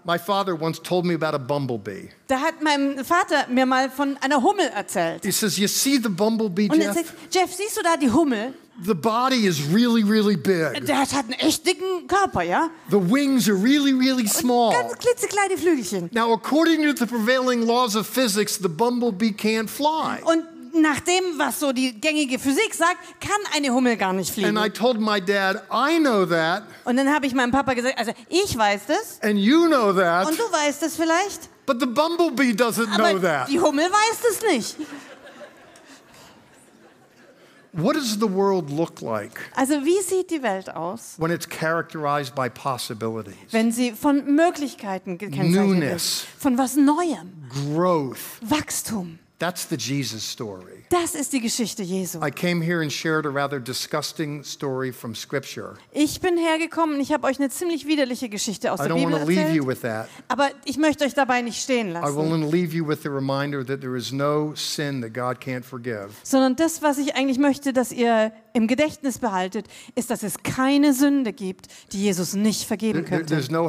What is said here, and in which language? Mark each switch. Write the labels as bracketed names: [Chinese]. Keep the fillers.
[English] My father once told me about a bumblebee. [German] Da hat mein Vater mir mal von einer Hummel erzählt. [English] He says, you see the bumblebee, [German] Und Jeff? Er sagt, Jeff, siehst du da die Hummel? [English] The body is really, really big. [German] Der hat einen echt dicken Körper, ja. [English] The wings are really, really small. [German] Und ganz klitzekleine Flügelchen. [English] Now, according to the prevailing laws of physics, the bumblebee can't fly. [German] Und nach dem, was so die gängige Physik sagt, kann eine Hummel gar nicht fliegen. Dad, Und dann habe ich meinem Papa gesagt, also ich weiß das. [English] You know [German] Und du weißt es vielleicht. Aber die Hummel weiß es nicht. [English] What does the world look like? [German] Also, wie sieht die Welt aus? [English] When it's characterized by possibilities. [German] Wenn sie von Möglichkeiten gekennzeichnet Newness. Von was Neuem. Growth. Wachstum. Das ist die Geschichte Jesu. I [English] came here and shared a rather disgusting story from scripture. [German] Ich bin hergekommen und ich habe euch eine ziemlich widerliche Geschichte aus I der ich Bibel erzählt. Aber ich möchte euch dabei nicht stehen lassen. [English] I will only leave you with that no that [German] Sondern das, was ich eigentlich möchte, dass ihr im Gedächtnis behaltet, ist, dass es keine Sünde gibt, die Jesus nicht vergeben könnte.